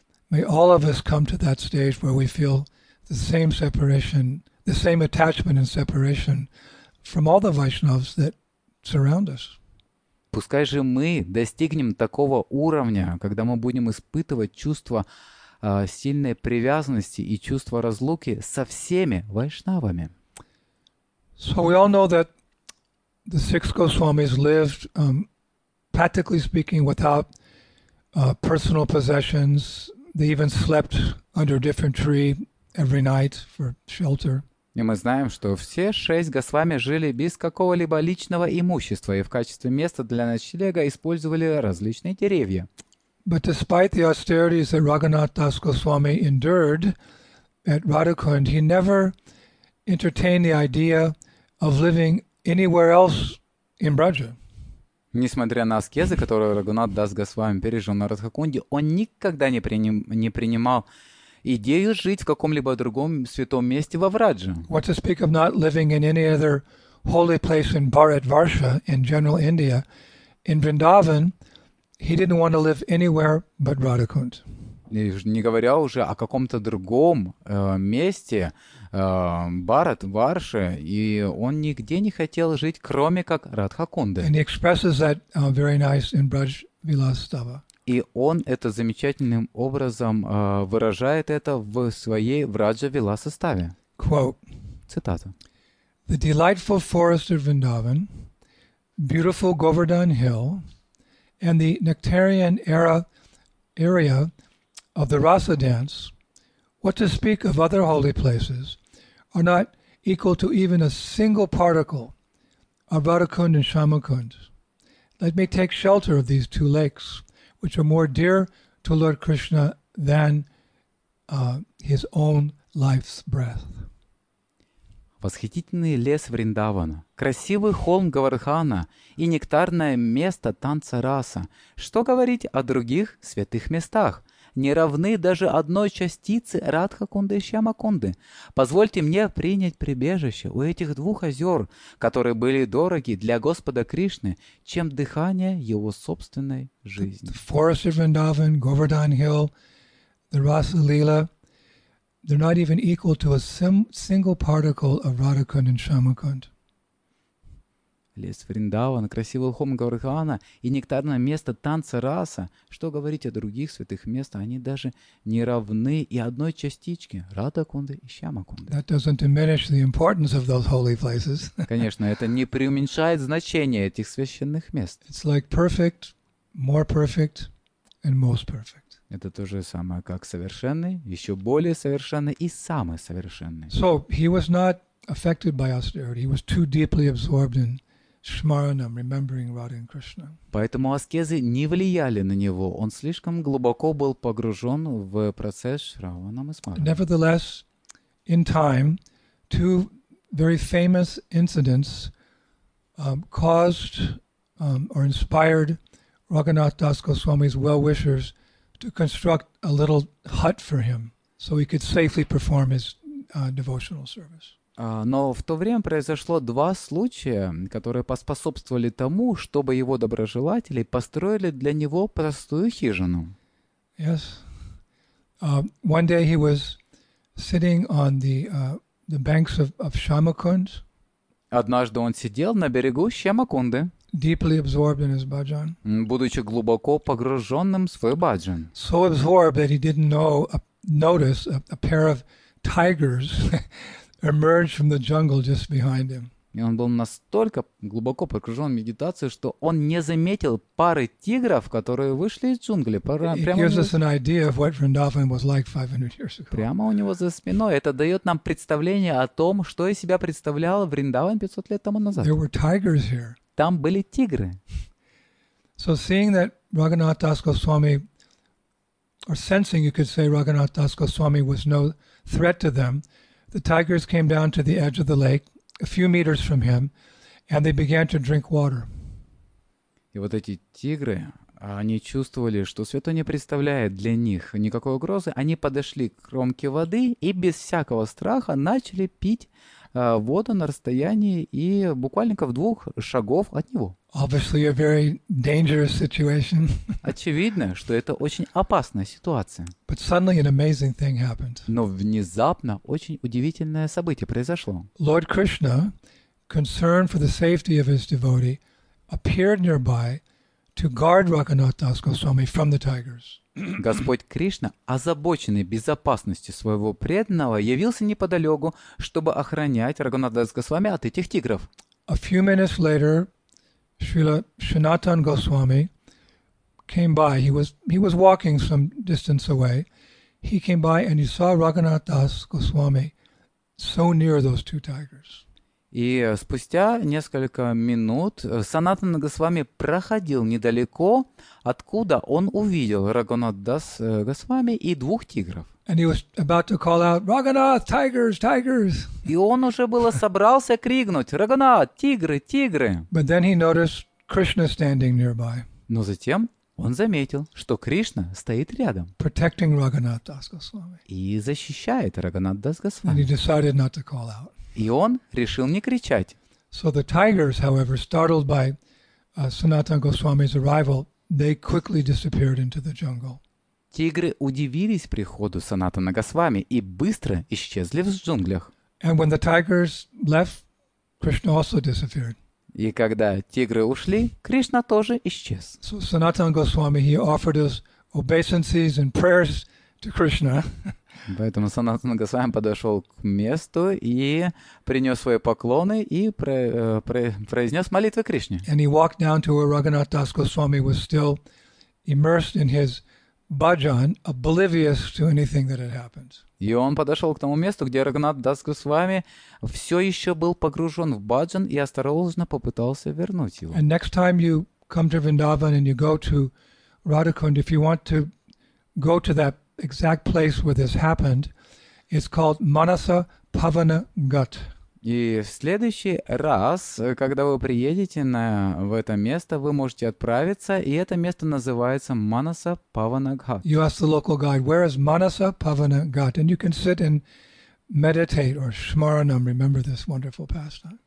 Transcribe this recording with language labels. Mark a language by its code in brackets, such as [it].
[en] May all of us come to that stage where we feel the same separation, the same attachment and separation from all the Vaishnavas that surround us. [ru] Пускай же мы достигнем такого уровня, когда мы будем испытывать чувство сильной привязанности и чувство разлуки со всеми вайшнавами. [en] So we all know that the six Goswamis lived, practically speaking, without personal possessions. They even slept under a different tree every night for shelter. [ru] И мы знаем, что все шесть Госвами жили без какого-либо личного имущества и в качестве места для ночлега использовали различные деревья. [en] But despite the austerities that Rāghunāth Dās Gosvāmī endured at Radhakund, he never entertained the idea of living anywhere else in Braja. [ru] Несмотря на аскезы, которые Рагхунат Дас Госвами пережил на Радхакунде, он никогда не принимал идею жить в каком-либо другом святом месте во Врадже. [en] What to speak of not living in any other holy place in Bharat Varsha, in general India, in Vrindavan, he didn't want to live anywhere but Radhakund. [ru] Не говоря уже о каком-то другом месте, Бхарат Варша, и он нигде не хотел жить, кроме как Радхакунды. [en] And he expresses that very nice in Braj Vilastava. [ru] И он это замечательным образом выражает это в своей Враджа-Виласа-ставе. [en] Quote, [ru] цитата. [en] The delightful forest of Vrindavan, beautiful Govardhan Hill, and the nectarian area of the Rasa dance, what to speak of other holy places, are not equal to even a single particle of Radhakund and Shyamakund. Let me take shelter of these two lakes, which are more dear to Lord Krishna than his own life's breath. [ru] восхитительный лес Вриндавана, красивый холм Говардхана и нектарное место танца раса. Что говорить о других святых местах? Не равны даже одной частице Радха-кунды и Шьяма-кунды. Позвольте мне принять прибежище у этих двух озер, которые были дороги для Господа Кришны, чем дыхание Его собственной жизни. [en] The forest of Vrindavan, Govardhan Hill, the Rasa Lila, they're not even equal to a single particle of Radha-kunda and Shyama-kunda. [ru] Лес Вриндавана, красивый холм Говардхана и нектарное место танца раса. Что говорить о других святых местах? Они даже не равны и одной частичке Радха-кунды и Шьяма-кунды. [en] That doesn't diminish the importance of those holy places. [ru] Конечно, это не преуменьшает значение этих священных мест. [en] It's like perfect, more perfect, and most perfect. [ru] Это то же самое, как совершенный, еще более совершенный и самый совершенный. [en] So he was not affected by austerity. He was too deeply absorbed in Smaranam, remembering Radha and Krishna. [ru] Поэтому аскезы не влияли на него. Он слишком глубоко был погружен в процесс Шраванам и Смаранам. [en] Nevertheless, in time, two very famous incidents caused or inspired Raghunath Das Goswami's well-wishers to construct a little hut for him so he could safely perform his devotional service. [ru] Но в то время произошло два случая, которые поспособствовали тому, чтобы его доброжелатели построили для него простую хижину. [en] Yes. One day he was sitting on the banks of Shyama-kund. [ru] Однажды он сидел на берегу Шьяма-кунды. [en] Deeply absorbed in his bhajan. [ru] Будучи глубоко погруженным в свой бхаджан. [en] So absorbed that he didn't notice a pair of tigers. Emerged from the jungle just behind him. [ru] И он был настолько глубоко погружен в медитацию, что он не заметил пары тигров, которые вышли из джунглей. Прямо у него за спиной. Это дает нам представление о том, что из себя представлял Вриндаван 500 лет тому назад. [en] There were tigers here. [ru] Там были тигры. [en] So seeing that Raghunath Das Goswami, or sensing, you could say, Raghunath Das Goswami was no threat to them, the tigers came down to the edge of the lake, a few meters from him, and they began to drink water. [ru] И вот эти тигры, они чувствовали, что святой не представляет для них никакой угрозы. Они подошли к кромке воды и без всякого страха начали пить воду на расстоянии и буквально в двух шагов от него. [en] Obviously, a very dangerous situation. [ru] Очевидно, что это очень опасная ситуация. [en] But suddenly an amazing thing happened. [ru] Но внезапно очень удивительное событие произошло. [en] Lord Krishna, concerned for the safety of his devotee, appeared nearby to guard Raghunath Das Goswami from the tigers. [ru] Господь Кришна, озабоченный безопасностью своего преданного, явился неподалеку, чтобы охранять Раганатха Дас Госвами от этих тигров. [en] A few minutes later, Srila Sanatan Goswami came by. He was walking some distance away. He came by and he saw Raghunath Das Goswami so near those two tigers. [ru] И спустя несколько минут Санатана Госвами проходил недалеко, откуда он увидел Раганат Дас Госвами и двух тигров. [en] And he was about to call out, Raghunath, tigers, tigers! [ru] И он уже было собрался крикнуть, Раганат, тигры, тигры! [en] But then he noticed Krishna standing nearby. [ru] Но затем он заметил, что Кришна стоит рядом. [en] Protecting Raghunath Das Goswami. [ru] И защищает Раганат Дас Госвами. [en] And he decided not to call out. [ru] И он решил не кричать. [en] So the tigers, however, startled by Sanatana Goswami's arrival, they quickly disappeared into the jungle. [ru] Тигры удивились приходу Санатана Госвами и быстро исчезли в джунглях. [en] And when the tigers left, Krishna also disappeared. [ru] И когда тигры ушли, Кришна тоже исчез. [en] So Sanatana Goswami, he offered his obeisances and prayers to Krishna. [ru] Поэтому Санатана Госвами подошел к месту и принес свои поклоны и произнес молитвы Кришне. [en] And he walked down to where Raghunath Das Goswami was still immersed in his bhajan, oblivious to anything that had happened. [ru] И он подошел к тому месту, где Раганат Дас Госвами все еще был погружен в бхаджан и осторожно попытался вернуть его. [en] And next time you come to Vrindavan and you go to Radha-kunda, if you want to go to that exact place where this happened, it's called Manasa Pavana Ghat. [ru] И в следующий раз, когда вы приедете в это место, вы можете отправиться, и это место называется Манаса Паванагхат. [en] You ask the local guide, where is Manasa Pavanagat? And you can sit and meditate or smaranam. Remember this wonderful pastime.